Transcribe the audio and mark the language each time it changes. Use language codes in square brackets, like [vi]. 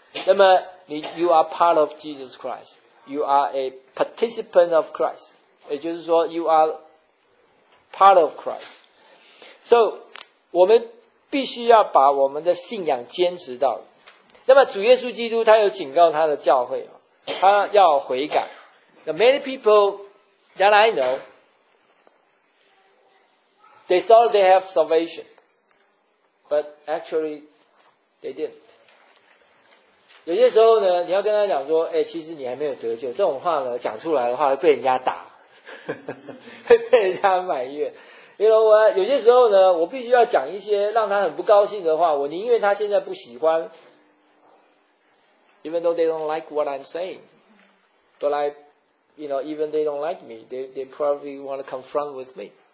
[zh] 那么你 [en] you are part of Jesus Christ. You are a participant of Christ. [zh] 也就是说 [en] you are part of Christ. [zh] So, 我们必须要把我们的信仰坚持到。那么主耶稣基督他有警告他的教会，他要悔改。 [en] Now, many people that I know, they thought they have salvation. But actually, they didn't. [zh] 有些时候呢，你要跟他讲说，欸，其实你还没有得救。这种话呢，讲出来的话会被人家打，会被人家埋怨。 [en] You know what? [zh] 有些时候呢，我必须要讲一些让他很不高兴的话，我宁愿他现在不喜欢。 [en] Even though they don't like what I'm saying. But like, you know, even they don't like me, they probably want to confront with me.